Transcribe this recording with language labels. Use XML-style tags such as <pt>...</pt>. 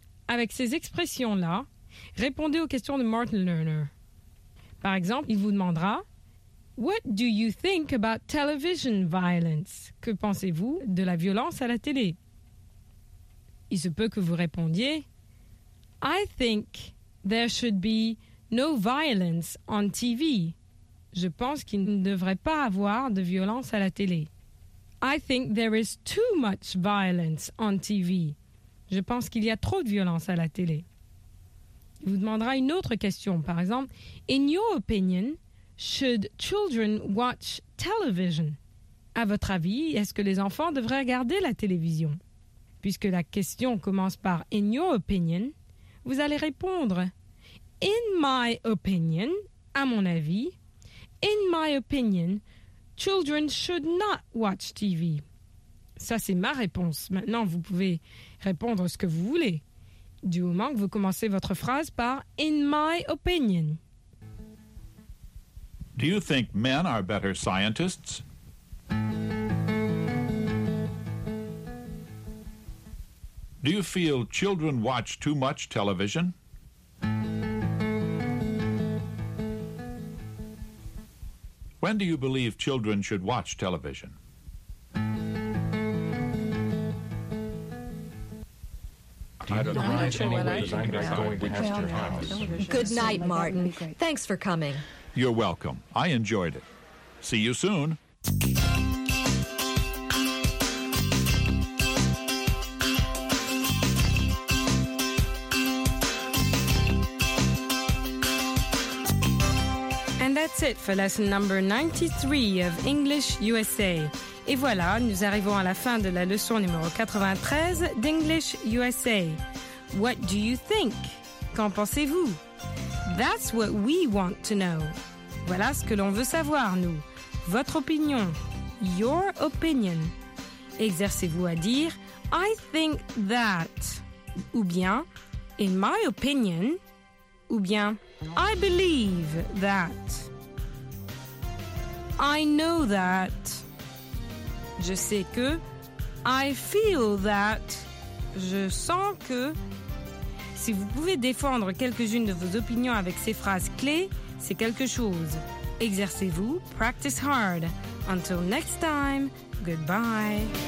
<fr>Avec ces expressions-là, répondez aux questions de Martin Lerner. Par exemple, il vous demandera</fr> <en>What do you think about television violence?</en> <fr>Que pensez-vous de la violence à la télé? Il se peut que vous répondiez</fr> <en>I think there should be no violence on TV.</en> <fr>Je pense qu'il ne devrait pas avoir de violence à la télé.</fr> <en>I think there is too much violence on TV.</en> <fr>Je pense qu'il y a trop de violence à la télé. Il vous demandera une autre question, par exemple</fr> <en>In your opinion, should children watch television?</en> <fr>À votre avis, est-ce que les enfants devraient regarder la télévision? Puisque la question commence par «</fr> <en>In your opinion</en> <fr>», vous allez répondre «</fr> <en>In my opinion</en> <fr>», à mon avis, «</fr> <en>In my opinion, children should not watch TV ».</en> <fr>Ça, c'est ma réponse. Maintenant, vous pouvez répondre ce que vous voulez, du moment que vous commencez votre phrase par «</fr> <en>In my opinion ». Do you think men are better scientists? Do you feel children watch too much television? When do you believe children should watch television? Good night, Martin. Thanks for coming. You're welcome. I enjoyed it. See you soon. And that's it for lesson number 93 of English USA.</en> <fr>Et voilà, nous arrivons à la fin de la leçon numéro 93 d'English USA.</fr> <en>What do you think?</en> <fr>Qu'en pensez-vous?</fr> <en>That's what we want to know.</en> <fr>Voilà ce que l'on veut savoir, nous. Votre opinion.</fr> <en>Your opinion.</en> <fr>Exercez-vous à dire</fr> <en>I think that.</en> <fr>Ou bien</fr> <en>In my opinion.</en> <fr>Ou bien</fr> <en>I believe that. I know that.</en> <fr>Je sais que</fr> <en>I feel that.</en> <fr>Je sens que... Si vous pouvez défendre quelques-unes de vos opinions avec ces phrases clés, c'est quelque chose. Exercez-vous,</fr> <en>practice hard. Until next time, goodbye.</en>